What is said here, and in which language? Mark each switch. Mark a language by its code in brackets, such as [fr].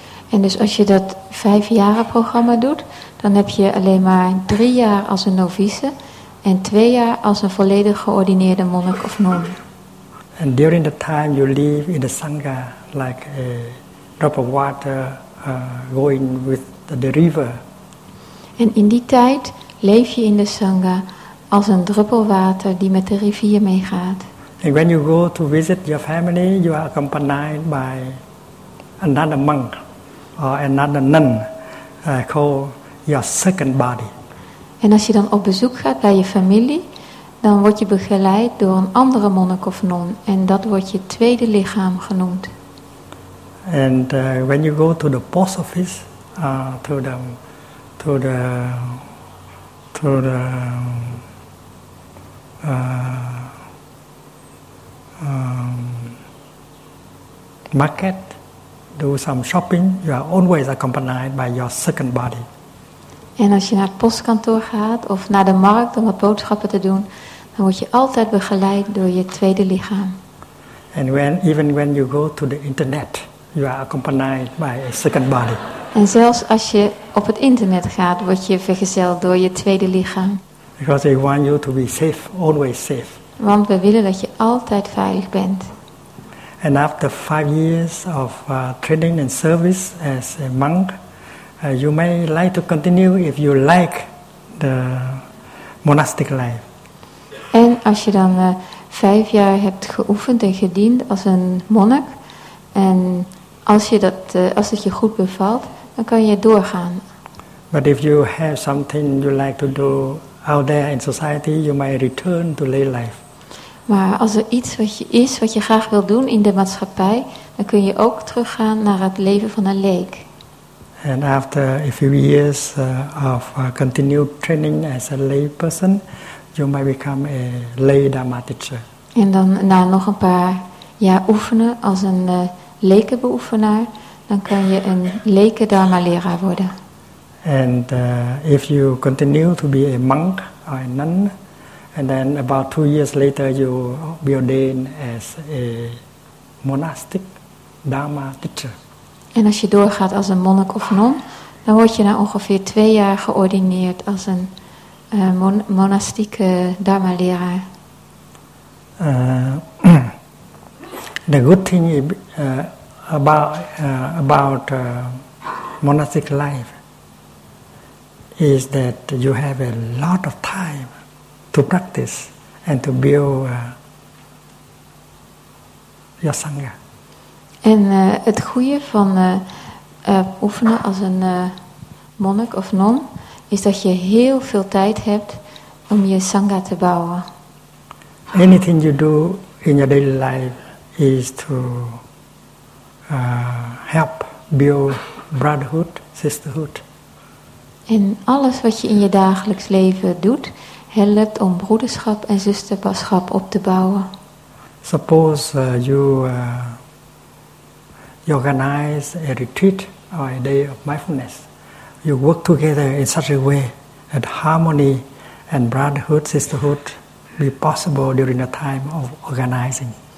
[nl] En dus als je dat 5-jaren programma doet, dan heb je alleen maar 3 jaar als een novice en 2 jaar als een volledig geordineerde monnik of non. [en] And during the time you live in the sangha, like a drop of water going with the river. [nl] En in die tijd leef je in de sangha als een druppel water die met de rivier meegaat. [en] And when you go to visit your family, you are accompanied by another monk or another nun called your second body. [nl] En als je dan op bezoek gaat bij je familie, dan word je begeleid door een andere monnik of non, en dat wordt je tweede lichaam genoemd. [en] And when you go to the post office, to the market, do some shopping, you are always accompanied by your second body. [nl] En als je naar het postkantoor gaat of naar de markt om wat boodschappen te doen, dan word je altijd begeleid door je tweede lichaam. [en] And even when you go to the internet, you are accompanied by a second body. [nl] En zelfs als je op het internet gaat, word je vergezeld door je tweede lichaam. [en] Because they want you to be safe, always safe. [nl] Want we willen dat je altijd veilig bent. [en] And after 5 years of training and service as a monk, you may like to continue if you like the monastic life. [nl] En als je dan 5 jaar hebt geoefend en gediend als een monnik, en als het je goed bevalt, dan kan je doorgaan. [en] But if you have something you like to do out there in society, you might return to lay life. [nl] Maar als er iets wat je graag wil doen in de maatschappij, Dan kun je ook teruggaan naar het leven van een leek. [en] And after a few years of continued training as a lay person, you might become a lay Dhamma teacher. [nl] En dan na nog een paar jaar oefenen als een lekenbeoefenaar, dan kan je een leken Dharma leraar worden. [en] And if you continue to be a monk or a nun, and then about 2 years later you be ordained as a monastic Dharma teacher. [nl] En als je doorgaat als een monnik of non, dan word je na ongeveer 2 jaar geordineerd als een monastieke Dharma leraar. [en] The good thing about monastic life is that you have a lot of time to practice and to build your sangha. [nl] En het goede van oefenen als een monnik of non is dat je heel veel tijd hebt om je sangha te bouwen. [en] Anything you do in your daily life is to help build brotherhood, sisterhood. [nl] En alles wat je in je dagelijks leven doet, helpt om broederschap en zusterschap op te bouwen. [en] Suppose you organize a retreat or a day of mindfulness. You work together in such a way that harmony and brotherhood, sisterhood be possible during the time of organizing.